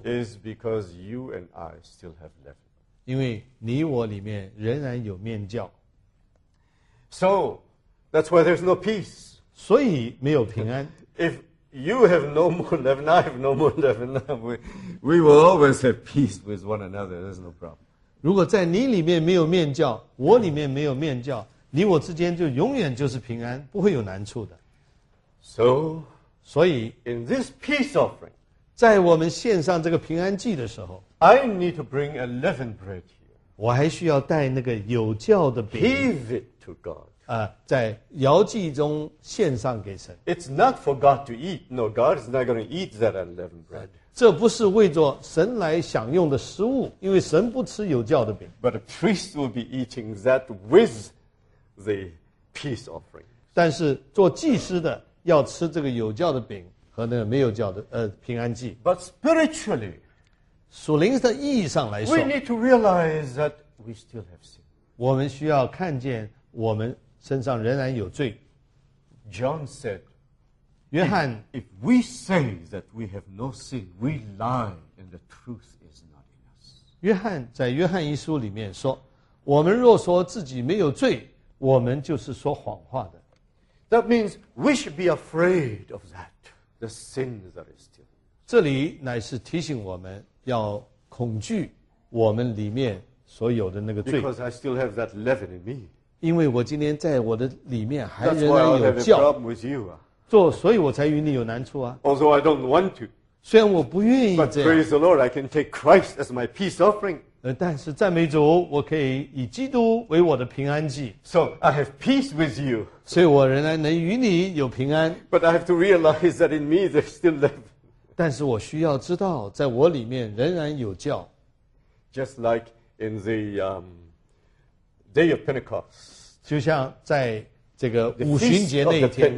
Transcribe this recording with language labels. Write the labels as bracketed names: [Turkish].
[English] Is because you and I still have leaven. [Chinese] 因为你我里面仍然有面酵。 [English] So, that's why there's no peace. [Chinese] 所以没有平安。 [English] If You have no more leaven, I have no more leaven. We will always have peace with one another. There's no problem. [Chinese] 如果在你里面没有面酵，我里面没有面酵，你我之间就永远就是平安，不会有难处的。所以 [English] in this peace offering, [Chinese] 在我们献上这个平安祭的时候 [English] I need to bring a leavened bread here. [Chinese] 我还需要带那个有酵的饼 [English] Give it to God. [Chinese] 在摇祭中献上给神。 [English] It's not for God to eat. No, God is not going to eat that unleavened bread. [Chinese] 这不是为着神来享用的食物，因为神不吃有酵的饼。 [English] But a priest will be eating that with the peace offering. [Chinese] 但是做祭司的要吃这个有酵的饼和那个没有酵的平安祭。 [English] But spiritually, [Chinese] 属灵的意义上来说 [English] ，we need to realize that we still have sin. [Chinese] 我们需要看见我们。身上仍然有罪。 [English] John said, [Chinese] 约翰 [English] if we say that we have no sin, we lie and the truth is not in us. [Chinese] 约翰在约翰一书里面说，我们若说自己没有罪，我们就是说谎话的。 [English] That means we should be afraid of that, the sin that is still in us. [Chinese] 这里乃是提醒我们要恐惧我们里面所有的那个罪。 [English] Because I still have that leaven in me. [Chinese] 因为我今天在我的里面还仍然有酵，所以我才与你有难处啊。 [English] Although I don't want to, [Chinese] 虽然我不愿意这样。 [English] But praise the Lord, I can take Christ as my peace offering. [Chinese] 但是赞美主，我可以以基督为我的平安祭。 [English] So I have peace with you. [Chinese] 所以我仍然能与你有平安。 [English] But I have to realize that in me there's still love. [Chinese] 但是我需要知道，在我里面仍然有酵。 [English] Just like in the Day of Pentecost, [Chinese] 就像在这个五旬节那一天